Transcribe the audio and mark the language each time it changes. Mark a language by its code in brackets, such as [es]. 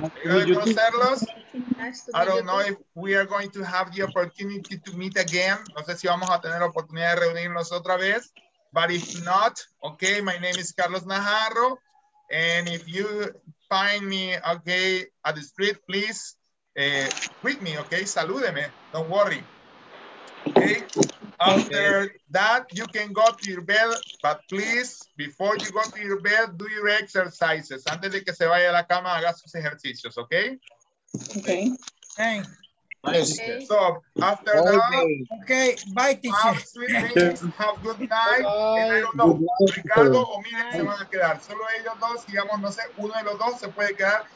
[en] I don't know if we are going to have the opportunity to meet again. [es] No sé si vamos a tener la oportunidad de reunirnos otra vez. [en] But if not, okay, my name is Carlos Najarro. And if you find me, okay, at the street, please greet me, okay? [es] Salúdeme, [en] don't worry. Okay, after that, you can go to your bed, but please, before you go to your bed, do your exercises. [es] Antes de que se vaya a la cama, haga sus ejercicios, okay? [en] Okay. Thanks. Okay. So, after that, okay, bye, teacher. Have sweet dreams, have good night. And I don't know, [es] Ricardo o Miriam se van a quedar. Solo ellos dos, digamos, no sé, uno de los dos se puede quedar.